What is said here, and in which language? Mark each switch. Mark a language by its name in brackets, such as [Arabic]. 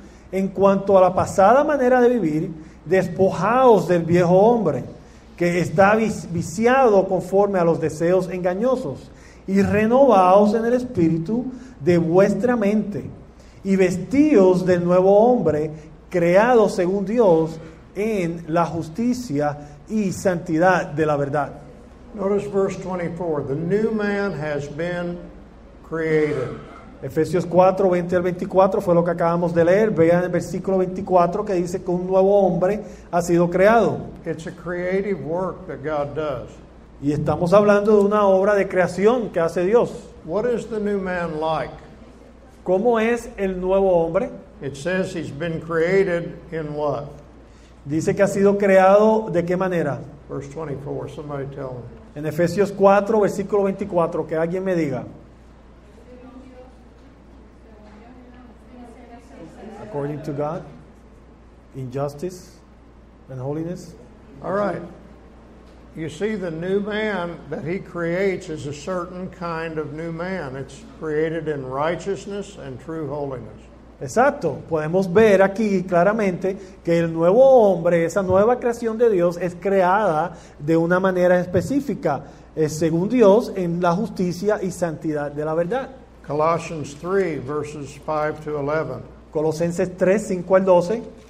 [Spanish] En cuanto a la pasada manera de vivir, despojaos del viejo hombre, que está viciado conforme a los deseos engañosos, y renovaos en el espíritu de vuestra mente, y vestíos del nuevo hombre, creado según Dios en la justicia y santidad de la verdad. [English] Notice verse 24. The new man has been created. [Spanish] Efesios 4, 20 al 24 fue lo que acabamos de leer. Vean el versículo 24 que dice que un nuevo hombre ha sido creado. [English] It's a creative work that God does. [Spanish] Y estamos hablando de una obra de creación que hace Dios. [English] What is the new man like? [Spanish] ¿Cómo es el nuevo hombre? [English] It says he's been created in what? [Spanish] Dice que ha sido creado de qué manera? [English] Verse 24, somebody tell me. [Spanish] En Efesios 4, versículo 24, que alguien me diga. [English] According to God, in justice and holiness. All right. You see, the new man that he creates is a certain kind of new man. It's created in righteousness and true holiness. [Spanish] Exacto. Podemos ver aquí claramente que el nuevo hombre, esa nueva creación de Dios, es creada de una manera específica, según Dios, en la justicia y santidad de la verdad. [English] Colossians 3, verses 5 to 11. [Spanish] Colosenses 3, 5 al 12.